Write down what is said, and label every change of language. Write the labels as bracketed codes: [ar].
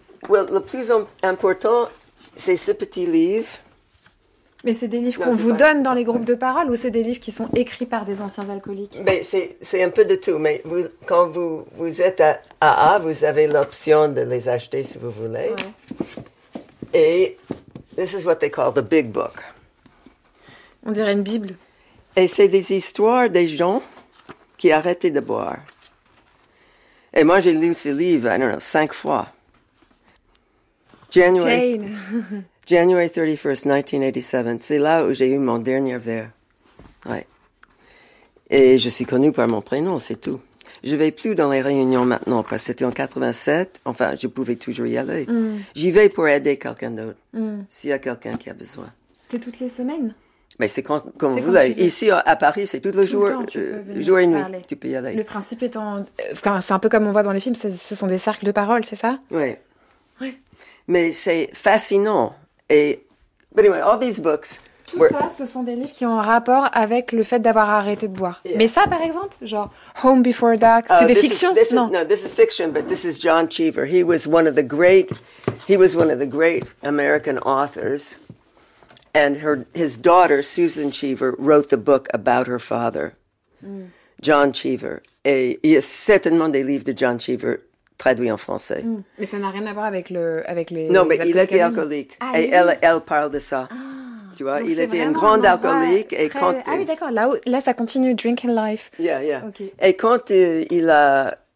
[en] Well, [fr] le plus important, c'est ce petit livre. Mais c'est des livres qu'on vous donne dans les groupes de parole ou c'est des livres qui sont écrits par des anciens alcooliques? Mais c'est un peu de tout. Mais quand vous êtes à AA, vous avez l'option de les acheter si vous voulez. Ouais. [en] Et this is what they call the big book. [fr] On dirait une Bible. Et c'est des histoires des gens qui arrêtaient de boire. Et moi, j'ai lu ce livre, [en] I don't know, [fr] 5 fois. [en] January 31st, 1987. [fr] C'est là où j'ai eu mon dernier verre. Ouais. Et je suis connue par mon prénom, c'est tout. Je ne vais plus dans les réunions maintenant parce que c'était en 87. Enfin, je pouvais toujours y aller. J'y vais pour aider quelqu'un d'autre, s'il y a quelqu'un qui a besoin. C'est toutes les semaines? Mais c'est quand vous voulez. Ici, à Paris, c'est tout le jour. Jour et nuit, tu peux y aller. Le principe étant. Enfin, c'est un peu comme on voit dans les films, ce sont des cercles de parole, c'est ça? Oui. Mais c'est fascinant. [en] Et, but anyway, all these books. [fr] Tout were... ça, ce sont des livres qui ont un rapport avec le fait d'avoir arrêté de boire. [en] Yeah. [fr] Mais ça, par exemple, genre Home Before Dark, c'est des fictions? [en] This is fiction, but this is John Cheever. He was one of the great American authors. And his daughter, Susan Cheever, wrote the book about her father, John Cheever. [fr] Et il y a certainement des livres de John Cheever traduit en français. Mais ça n'a rien à voir avec les Non, mais il était alcoolique. Ah, et oui. elle parle de ça. Ah, tu vois, il était une grande alcoolique. Et quand ah oui, d'accord. Là, ça continue, [en] drinking life. Yeah, yeah. Okay. [fr] Et quand il a